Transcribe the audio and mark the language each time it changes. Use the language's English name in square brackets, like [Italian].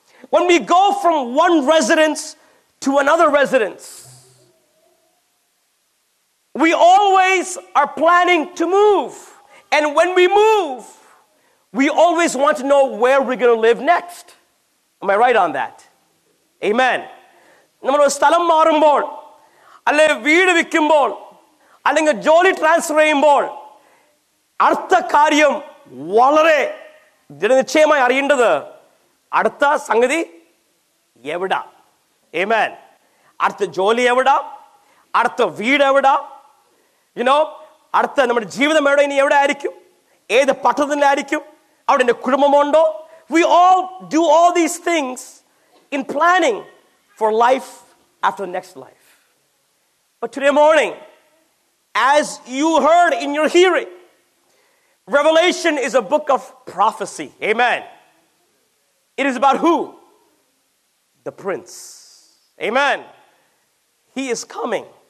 [English] When we go from one residence to another residence, we always are planning to move. And when we move, we always want to know where we're going to live next. Am I right on that? Amen. [Malayalam] നമ്മൾ സ്ഥലം മാറുമ്പോൾ അല്ലെങ്കിൽ വീട് വിൽക്കുമ്പോൾ അല്ലെങ്കിൽ ജോലി transfer ചെയ്യുമ്പോൾ അടുത്ത കാര്യം വളരെ ദൃഢനിശ്ചയമായി അറിയേണ്ടത് അടുത്ത സംഗതി എവിടെ. ആമേൻ. അടുത്ത ജോലി എവിടെ, അടുത്ത വീട് എവിടെ, യുനോ, അടുത്ത നമ്മുടെ ജീവിതം എവിടെ, ഇനി എവിടെ ആയിരിക്കും, ഏത് പട്ടണത്തിലായിരിക്കും, അവിടെ എൻ്റെ കുടുംബമുണ്ടോ, [English] We all do all these things in planning for life after the next life. But today morning, as you heard in your hearing, Revelation is a book of prophecy. Amen. It is about who? The Prince. Amen. He is coming.